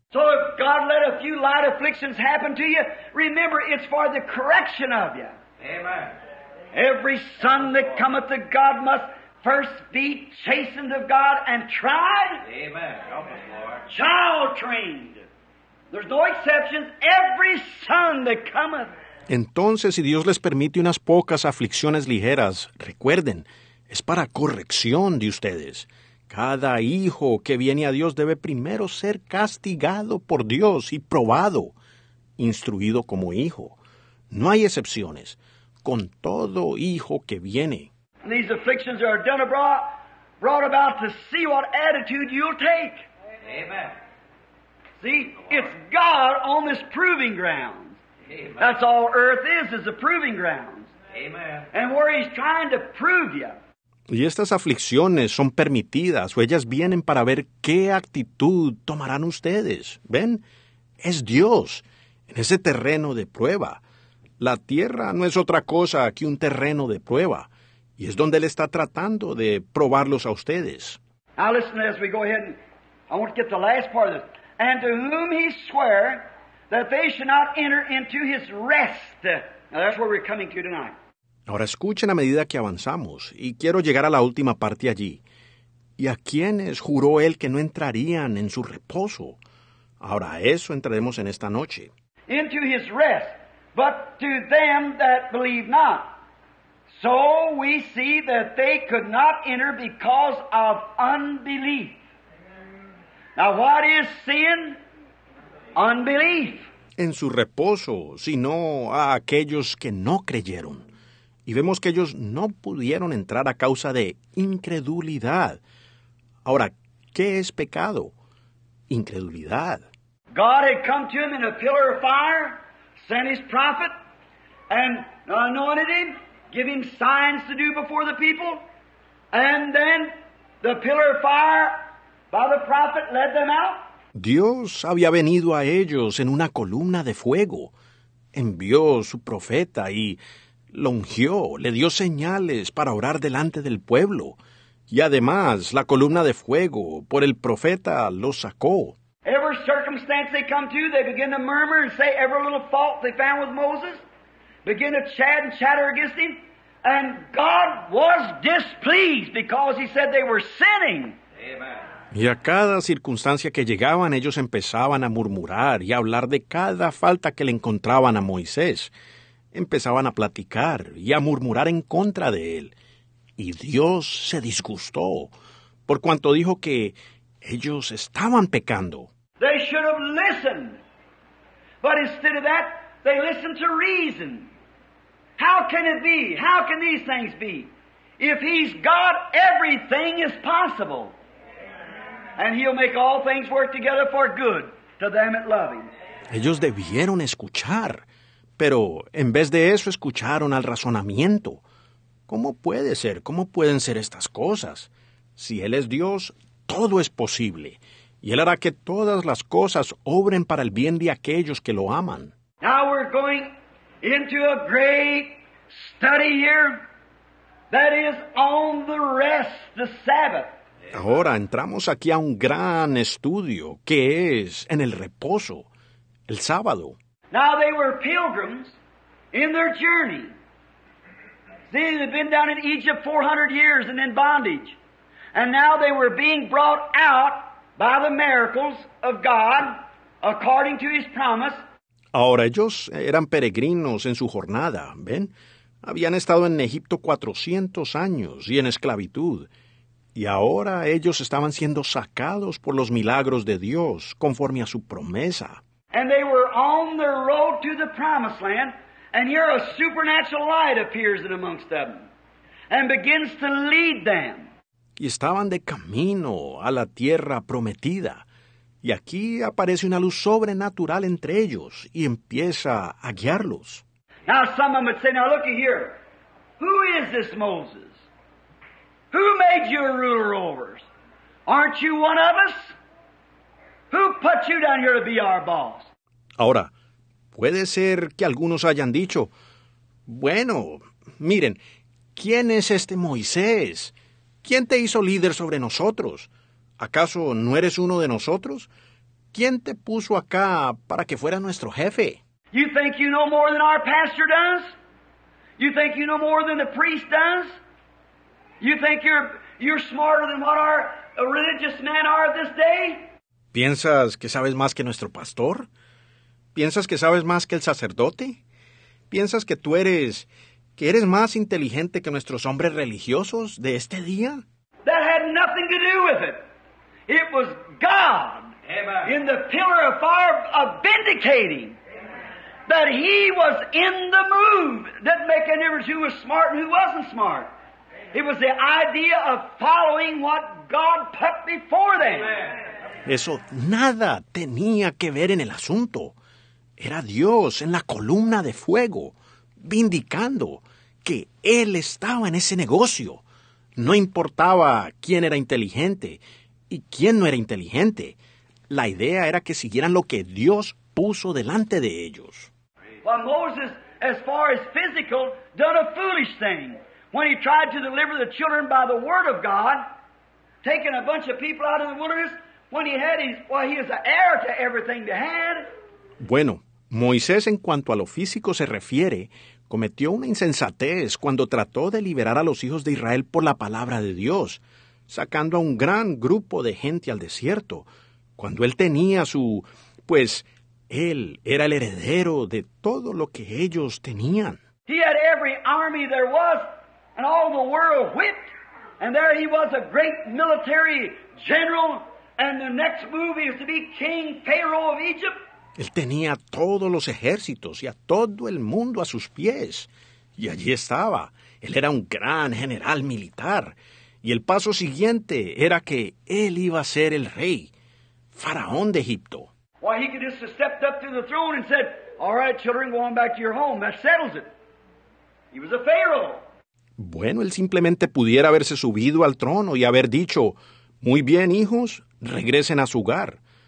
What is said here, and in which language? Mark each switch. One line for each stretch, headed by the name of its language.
English: So if God let a few light afflictions happen to you, remember it's for the correction of you. Amen. Every son that cometh to God must first be chastened of God and tried. Amen. Help us, Lord. Child trained. There's no exceptions. Every son that cometh.
Spanish: Entonces, si Dios les permite unas pocas aflicciones ligeras, recuerden, es para corrección de ustedes. Cada hijo que viene a Dios debe primero ser castigado por Dios y probado, instruido como hijo. No hay excepciones. Con todo hijo que viene.
English: And these afflictions are done abroad, brought about to see what attitude you'll take. Amen. See, it's God on this proving ground. Amen. That's all earth is a proving ground. Amen. And where he's trying to prove you.
Spanish: Y estas aflicciones son permitidas, o ellas vienen para ver qué actitud tomarán ustedes. ¿Ven? Es Dios en ese terreno de prueba. La tierra no es otra cosa que un terreno de prueba, y es donde Él está tratando de probarlos a ustedes.
English: Now listen as we go ahead, I want to get the last part of this. And to whom he sware that they should not enter into his rest. Now that's where we're coming to tonight.
Spanish: Ahora escuchen a medida que avanzamos, y quiero llegar a la última parte allí. ¿Y a quiénes juró él que no entrarían en su reposo? Ahora a eso entraremos en esta noche.
English: Into his rest, but to them that believe not. So we see that they could not enter because of unbelief. Now what is sin? Unbelief.
Spanish: En su reposo, sino a aquellos que no creyeron. Y vemos que ellos no pudieron entrar a causa de incredulidad. Ahora, ¿qué es pecado? Incredulidad.
English: God had come to him in a pillar of fire, sent his prophet, and anointed him, gave him signs to do before the people, and then the pillar of fire by the prophet led them out.
Spanish: Dios había venido a ellos en una columna de fuego, envió su profeta y lo ungió, le dio señales para orar delante del pueblo. Y además, la columna de fuego por el profeta lo sacó.
English: Every circumstance they come to, they begin to murmur and say every little fault they found with Moses, begin to chat and chatter against him. And God was displeased because he said they were sinning. Amen.
Spanish: Y a cada circunstancia que llegaban, ellos empezaban a murmurar y a hablar de cada falta que le encontraban a Moisés. Empezaban a platicar y a murmurar en contra de él. Y Dios se disgustó por cuanto dijo que ellos estaban pecando.
English: They should have listened. But instead of that, they listened to reason. How can it be? How can these things be? If he's God, everything is possible. And he'll make all things work together for good to them that love him.
Spanish: Ellos debieron escuchar. Pero en vez de eso, escucharon al razonamiento. ¿Cómo puede ser? ¿Cómo pueden ser estas cosas? Si Él es Dios, todo es posible. Y Él hará que todas las cosas obren para el bien de aquellos que lo aman.
English: Now we're going into a great study here that is on the rest, the Sabbath.
Spanish: Ahora entramos aquí a un gran estudio que es en el reposo, el sábado.
English: Now they were pilgrims in their journey. See, they had been down in Egypt 400 years and in bondage. And now they were being brought out by the miracles of God according to his promise.
Spanish: Ahora ellos eran peregrinos en su jornada, ¿ven? Habían estado en Egipto 400 años y en esclavitud. Y ahora ellos estaban siendo sacados por los milagros de Dios, conforme a su promesa.
English: And they were on their road to the promised land, and here a supernatural light appears in amongst them, and begins to lead them.
Spanish: Y estaban de camino a la tierra prometida, y aquí aparece una luz sobrenatural entre ellos, y empieza a guiarlos.
English: Now some of them would say, now looky here, who is this Moses? Who made you a ruler over us? Aren't you one of us? Who put you down here to be our boss?
Spanish: Ahora, puede ser que algunos hayan dicho, bueno, miren, ¿quién es este Moisés? ¿Quién te hizo líder sobre nosotros? ¿Acaso no eres uno de nosotros? ¿Quién te puso acá para que fuera nuestro jefe?
English: You think you know more than our pastor does? You think you know more than the priest does? You think you're smarter than what our religious men are this day?
Spanish: ¿Piensas que sabes más que nuestro pastor? ¿Piensas que sabes más que el sacerdote? ¿Piensas que tú eres más inteligente que nuestros hombres religiosos de este día?
English: That had nothing to do with it. It was God. Amen. In the pillar of fire of vindicating. Amen. That he was in the move. Didn't make any difference who was smart and who wasn't smart. It was the idea of following what God put before them.
Spanish: Eso nada tenía que ver en el asunto. Era Dios en la columna de fuego, vindicando que Él estaba en ese negocio. No importaba quién era inteligente y quién no era inteligente. La idea era que siguieran lo que Dios puso delante de ellos.
English: Well, Moses, as far as physical, done a foolish thing. When he tried to deliver the children by the word of God, taking a bunch of people out of the wilderness, when he had his, well, he was an heir to everything they had.
Spanish: Bueno, Moisés, en cuanto a lo físico se refiere, cometió una insensatez cuando trató de liberar a los hijos de Israel por la palabra de Dios, sacando a un gran grupo de gente al desierto, cuando él tenía su, pues, él era el heredero de todo lo que ellos tenían.
English: He had every army there was. And all the world whipped, and there he was, a great military general, and the next move is to be king Pharaoh of Egypt.
Spanish: Él tenía todos los ejércitos y a todo el mundo a sus pies, y allí estaba. Él era un gran general militar, y el paso siguiente era que él iba a ser el rey, faraón de Egipto.
English: Well, he could just have stepped up to the throne and said, all right, children, go on back to your home. That settles it. He was a pharaoh.
Spanish: Bueno, él simplemente pudiera haberse subido al trono y haber dicho, muy bien, hijos, regresen a su hogar.